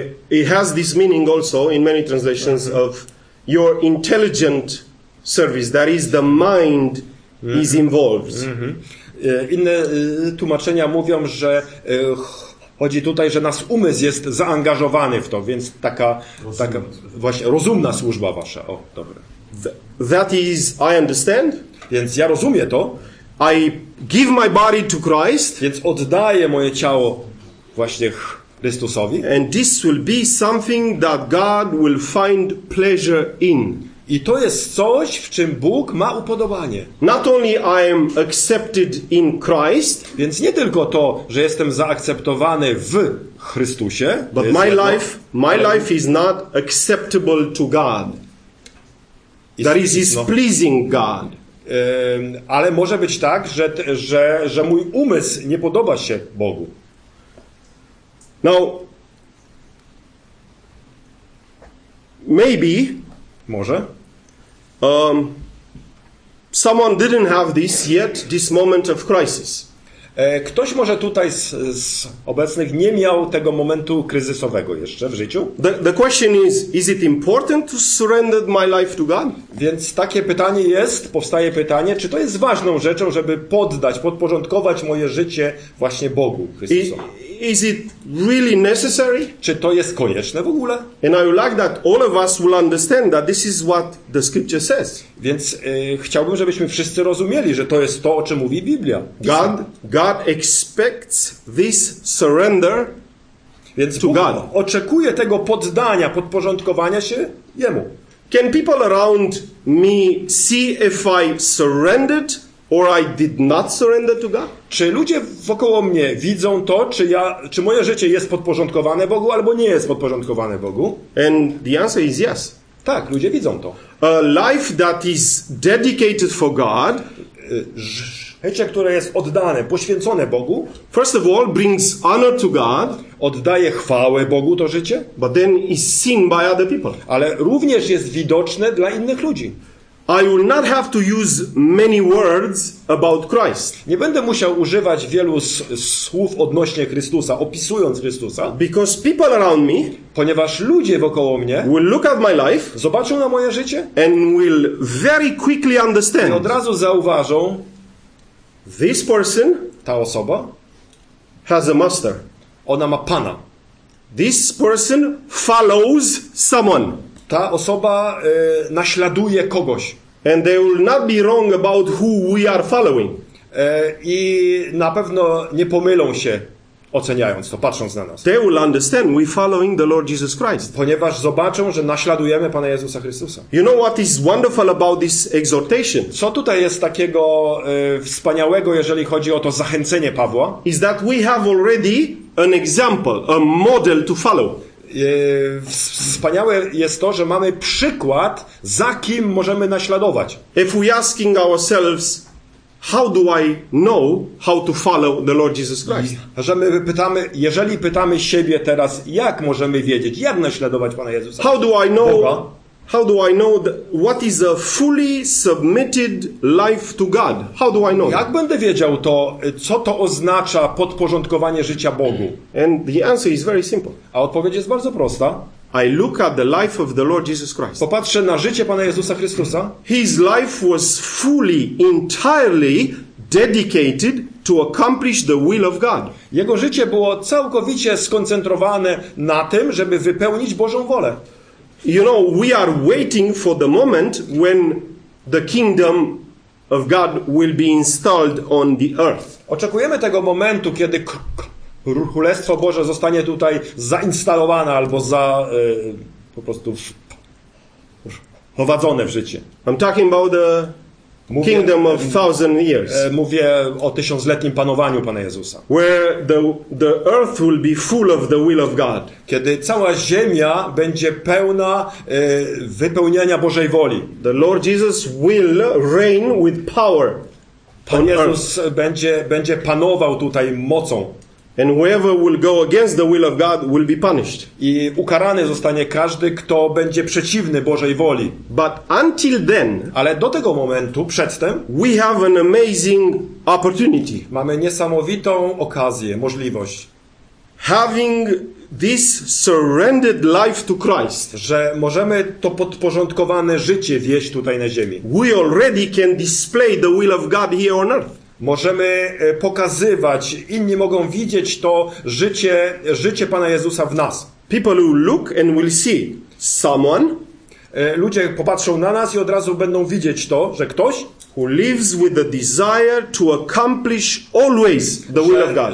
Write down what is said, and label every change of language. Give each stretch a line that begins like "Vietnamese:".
English: It has this meaning also in many translations of your intelligent service. That is, the mind is involved.
Polish: Inne tłumaczenia mówią, że chodzi tutaj, że nasz umysł jest zaangażowany w to, więc taka właśnie rozumna służba wasza. O, dobre.
English: That is, I understand.
Polish: Więc ja rozumiem to.
English: I give my body to Christ.
Polish: Więc oddaję moje ciało właśnie Chrystusowi.
English: And this will be something that God will find pleasure in.
Polish: I to jest coś, w czym Bóg ma upodobanie.
English: Not only I am accepted in Christ,
Polish: więc nie tylko to, że jestem zaakceptowany w Chrystusie,
English: but my
Polish: jedno,
English: life, my life is not acceptable to God. That is, is pleasing God.
Polish: Ale może być tak, że mój umysł nie podoba się Bogu.
English: Now, maybe,
Polish: może,
English: someone didn't have this yet, this moment of crisis.
Polish: Ktoś może tutaj z obecnych nie miał tego momentu kryzysowego jeszcze w życiu.
English: The question is it important to surrender my life to God?
Polish: Więc takie pytanie jest, powstaje pytanie, czy to jest ważną rzeczą, żeby poddać, podporządkować moje życie właśnie Bogu Chrystusowi?
English: Is it really necessary?
Polish: Czy to jest konieczne w ogóle?
English: And I would like that all of us will understand that this is what the scripture says.
Polish: Więc chciałbym, żebyśmy wszyscy rozumieli, że to jest to, o czym mówi Biblia.
English: God expects this surrender
Polish: Więc to Bóg
English: God.
Polish: Oczekuje tego poddania, podporządkowania się Jemu.
English: Can people around me see if I surrendered or I did not surrender to God?
Polish: Czy ludzie wokoło mnie widzą to, czy moje życie jest podporządkowane Bogu, albo nie jest podporządkowane Bogu?
English: And the answer is yes.
Polish: Tak, ludzie widzą to.
English: A life that is dedicated for God,
Polish: życie, które jest oddane, poświęcone Bogu,
English: first of all brings honor to God,
Polish: oddaje chwałę Bogu to życie,
English: but then is seen by other people.
Polish: Ale również jest widoczne dla innych ludzi.
English: I will not have to use many words about Christ.
Polish: Nie będę musiał używać wielu słów odnośnie Chrystusa, opisując Chrystusa,
English: because people around me,
Polish: ponieważ ludzie wokoło mnie,
English: will look at my life,
Polish: zobaczą na moje życie,
English: and will very quickly understand.
Polish: I od razu zauważą,
English: this person,
Polish: ta osoba,
English: has a master.
Polish: Ona ma pana.
English: This person follows someone.
Polish: Ta osoba naśladuje kogoś.
English: And they will not be wrong about who we are following.
Polish: I na pewno nie pomylą się, oceniając to, patrząc na nas.
English: They will understand we following the Lord Jesus Christ.
Polish: Ponieważ zobaczą, że naśladujemy Pana Jezusa Chrystusa.
English: You know what is wonderful about this exhortation?
Polish: Co tutaj jest takiego wspaniałego, jeżeli chodzi o to zachęcenie Pawła?
English: Is that we have already an example, a model to follow.
Polish: Wspaniałe jest to, że mamy przykład, za kim możemy naśladować.
English: If we asking ourselves, how do I know how to follow the Lord Jesus Christ?
Polish: Jeżeli pytamy siebie teraz, jak możemy wiedzieć, jak naśladować Pana Jezusa?
English: How do I know? How do I know what is a fully submitted life to God? How do I know?
Polish: Jak będę wiedział to, co to oznacza podporządkowanie życia Bogu?
English: And the answer is very simple.
Polish: A odpowiedź jest bardzo prosta.
English: I look at the life of the Lord Jesus Christ.
Polish: Popatrzę na życie Pana Jezusa Chrystusa.
English: His life was fully, entirely dedicated to accomplish the will of God.
Polish: Jego życie było całkowicie skoncentrowane na tym, żeby wypełnić Bożą wolę.
English: You know, we are waiting for the moment when the kingdom of God will be installed on the earth.
Polish: Oczekujemy tego momentu, kiedy Królestwo Boże zostanie tutaj zainstalowane albo po prostu wprowadzone w życie.
English: I'm talking about the
Polish: mówię,
English: kingdom of thousand years.
Polish: Mówię o tysiącletnim panowaniu Pana Jezusa.
English: Where the earth will be full of the will of God.
Polish: Kiedy cała ziemia będzie pełna wypełniania Bożej woli.
English: The Lord Jesus will reign with power.
Polish: Pan Jezus będzie panował tutaj mocą.
English: And whoever will go against the will of God will be punished.
Polish: I ukarany zostanie każdy, kto będzie przeciwny Bożej woli.
English: But until then,
Polish: ale do tego momentu, przedtem,
English: we have an amazing opportunity.
Polish: Mamy niesamowitą okazję, możliwość.
English: Having this surrendered life to Christ,
Polish: że możemy to podporządkowane życie wieść tutaj na ziemi.
English: We already can display the will of God here on earth.
Polish: Możemy pokazywać, inni mogą widzieć to życie Pana Jezusa w nas.
English: People who look and will see someone.
Polish: Ludzie popatrzą na nas i od razu będą widzieć to, że ktoś
English: who lives with the desire to accomplish always the will of God.